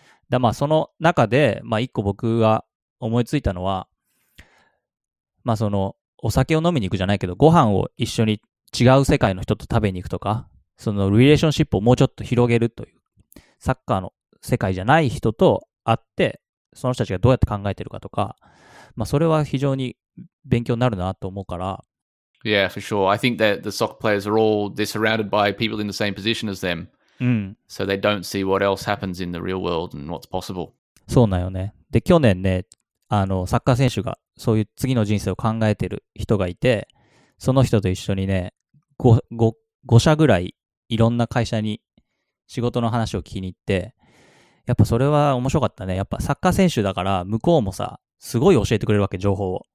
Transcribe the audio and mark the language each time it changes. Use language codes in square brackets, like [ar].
[ja] だまあその中で、まあ一個僕が思いついたのは、まあそのお酒を飲みに行くじゃないけど、ご飯を一緒に違う世界の人と食べに行くとか、そのリレーションシップをもうちょっと広げるという、サッカーの世界じゃない人と会って、その人たちがどうやって考えてるかとか、まあそれは非常に勉強になるなと思うから。 [en] Yeah, for sure. I think that the soccer players are all, they're surrounded by people in the same position as them. [ja] うん、 [en] so they don't see what else happens in the real world and what's possible. [ja] そうなよね。で、去年ね、あの、サッカー選手が、そういう次の人生を考えてる人がいて、その人と一緒にね、5社ぐらいいろんな会社に仕事の話を聞きに行って、やっぱそれは面白かったね。やっぱサッカー選手だから、向こうもさ、すごい教えてくれるわけ、情報を。